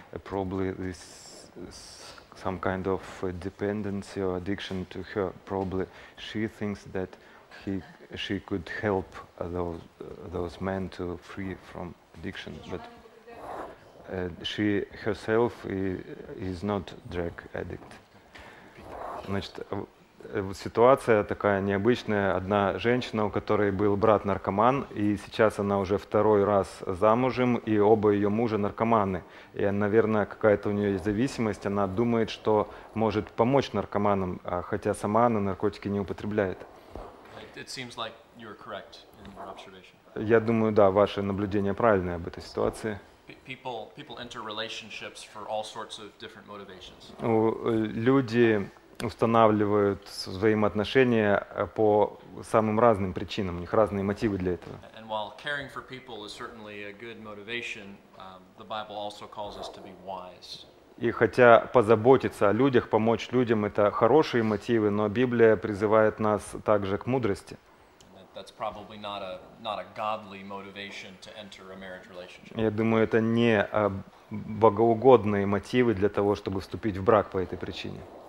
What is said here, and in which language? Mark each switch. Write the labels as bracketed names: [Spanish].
[English] Probably this some kind of dependency or addiction to her. Probably she thinks that she could help those men to free from addiction, but she herself is not drug addict. [Russian] Значит, ситуация такая необычная. Одна женщина, у которой был брат наркоман, и сейчас она уже второй раз замужем, и оба ее мужа наркоманы. И, наверное, какая-то у нее есть зависимость. Она думает, что может помочь наркоманам, хотя сама она наркотики не употребляет. [English] It seems like you're correct in your observation. [Russian] Я думаю, да, ваше наблюдение правильное об этой ситуации. [English] People enter relationships for all sorts of different motivations. [Russian] Люди устанавливают взаимоотношения по самым разным причинам. У них разные мотивы для этого. [English] And while caring for people is certainly a good motivation, the Bible also calls us to be wise. [Russian] И хотя позаботиться о людях, помочь людям – это хорошие мотивы, но Библия призывает нас также к мудрости. [English] That's probably not a godly motivation to enter a marriage relationship. [Russian] Я думаю, это не богоугодные мотивы для того, чтобы вступить в брак по этой причине.